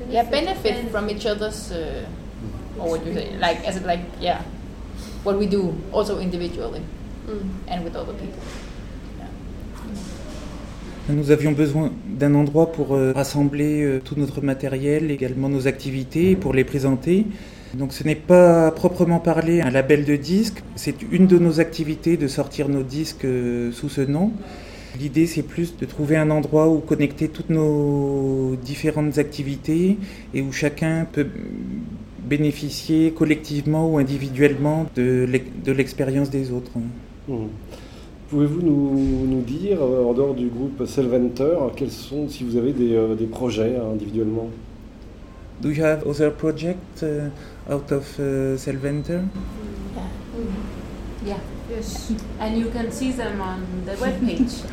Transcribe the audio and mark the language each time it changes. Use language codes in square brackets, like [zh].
[en] Yeah, benefit from each other's, or what do you say? Like, as it like, yeah, what we do also individually and with other people. [fr] Nous avions besoin d'un endroit pour rassembler tout notre matériel, également nos activités, pour les présenter. Donc ce n'est pas proprement parler un label de disques. C'est une de nos activités de sortir nos disques sous ce nom. L'idée, c'est plus de trouver un endroit où connecter toutes nos différentes activités et où chacun peut bénéficier collectivement ou individuellement de l'expérience des autres. Pouvez-vous nous dire, en dehors du groupe Selventer, quels sont, si vous avez des projets individuellement? [en] Do you have other projects out of Selventer? Yeah. And you can see them on the webpage.